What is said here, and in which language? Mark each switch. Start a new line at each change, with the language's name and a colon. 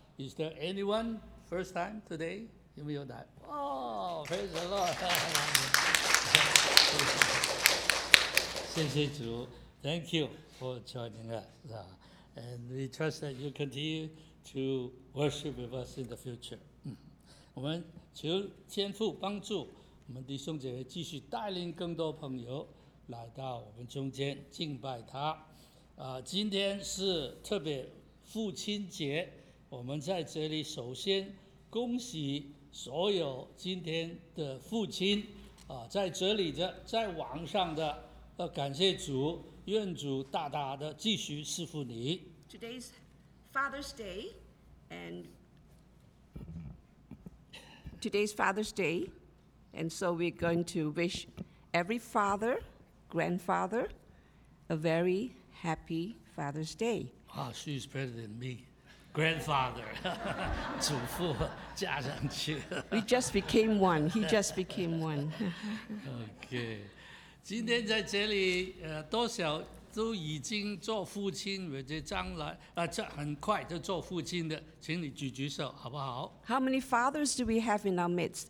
English: Is there anyone first time today?
Chinese: 有没有来？
English: Praise the Lord.
Chinese: 谢谢主
English: ，Thank you for joining us. And we trust that you continue to worship with us in the future.
Chinese: 我们求天父帮助我们弟兄姐妹继续带领更多朋友来到我们中间敬拜他。今天是特别父亲节，我们在这里首先恭喜所有今天的父亲，在这里的，在网上的，感谢主，愿主大大的继续赐福你。
English: Today's Father's Day, and today's Father's Day, and so we're going to wish every father, grandfather, a very happy Father's Day. Wow, she's better than me. Grandfather,
Chinese: 祖父加上去。
English: We just became one. He just became one.
Chinese: Okay, 今天在这里，多少都已经做父亲，或者将来这很快就做父亲的，请你举举手，好不好
English: ？How many fathers do we have in our midst?